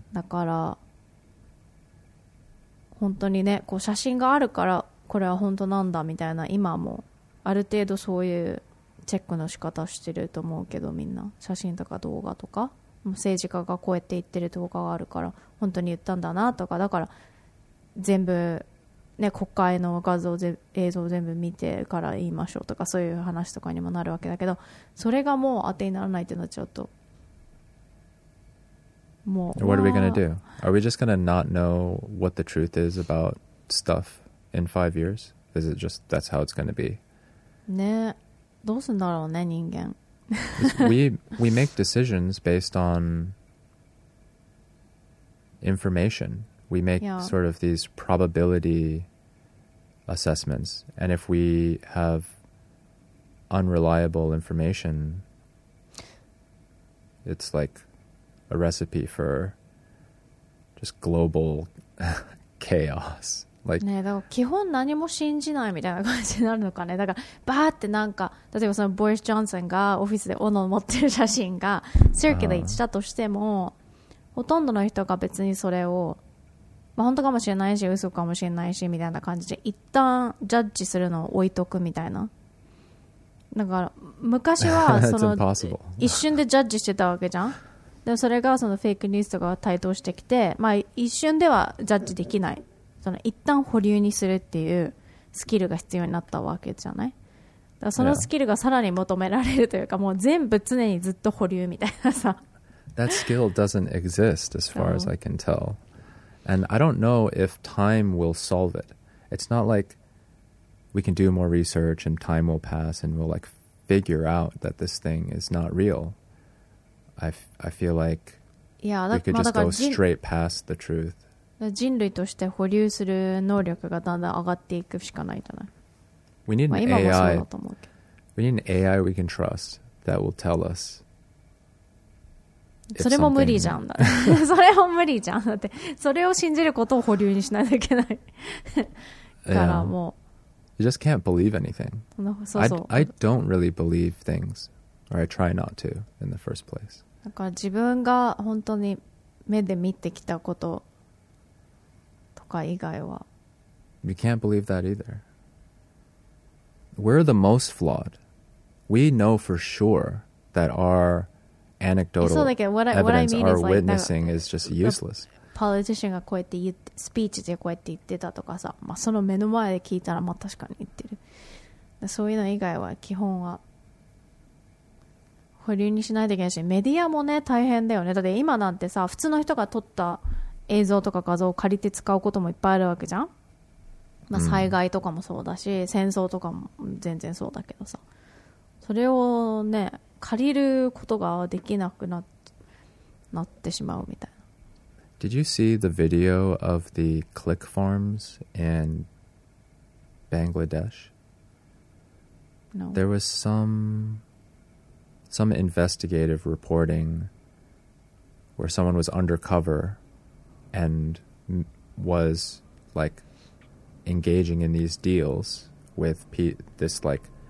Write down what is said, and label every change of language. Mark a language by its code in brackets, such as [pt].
[ja] だから本当にね、こう写真があるからこれは本当なんだみたいな、今もある程度そういうチェックの仕方してると思うけど、みんな写真とか動画とか、もう政治家がこうやって言ってる動画があるから本当に言ったんだなとか、だから全部、ね、国会の画像で映像全部見てから言いましょうとか、そういう話とかにもなるわけだけど、それがもう当てにならないっていうのはちょっと、もう [en] What are we gonna do? Are we just gonna not know what the truth is about stuff in 5 years? Is it just that's how it's gonna be? [ja] ね、どうすんだろうね、人間。 [en] we make decisions based on information. We make sort of these probability assessments. And if we have unreliable information, it's like a recipe for just global chaos. Like, [ja] ね、だから基本何も信じないみたいな感じになるのかね。だからバーってなんか例えばそのボリス・ジョンソンがオフィスで斧を持ってる写真がシーキュレイトしたとしてもほとんどの人が別にそれを、まあ、本当かもしれないし嘘かもしれないしみたいな感じで一旦ジャッジするのを置いとくみたいな。だから昔はその一瞬でジャッジしてたわけじゃん。でもそれがそのフェイクニュースとかが台頭してきて、まあ、一瞬ではジャッジできない、その一旦保留にするっていうスキルが必要になったわけじゃない。だからそのスキルがさらに求められるというか、もう全部常にずっと保留みたいなさ。 [en] That skill doesn't exist as far as I can tell. And I don't know if time will solve it. It's not like we can do more research and time will pass and we'll like figure out that this thing is not real. I feel like we could just go straight past the truth. [ja] 人類として保留する能力がだんだん上がっていくしかないじゃない。 [en] We need an AI. We need an AI we can trust that will tell us. [ja] それも無理じゃんだ。それも無理じゃんだって。それを信じることを保留にしないといけないからもう。 [en] Yeah. You just can't believe anything. [ja] そうそう。 [en] I don't really believe things, or I try not to in the first place. [ja] だから自分が本当に目で見てきたこととか以外は。 [en] You can't believe that either. We're the most flawed. We know for sure that our anecdotal so, like, evidence I mean our witnessing like, is just useless. [ja] Politician がこうやって言ってスピーチでこうやって言ってたとかさ、まあ、その目の前で聞いたらまあ確かに言ってる。そういうの以外は基本は保留にしないといけないし、メディアもね大変だよね。だって今なんてさ、普通の人が撮った映像とか画像を借りて使うこともいっぱいあるわけじゃん、まあ、災害とかもそうだし、mm. 戦争とかも全然そうだけどさ、それをね借りることができなくなってしまうみたいな。 [en] Did you see the video of the click farms in Bangladesh? No. There was some investigative reporting where someone was undercover and was like engaging in these deals with this like.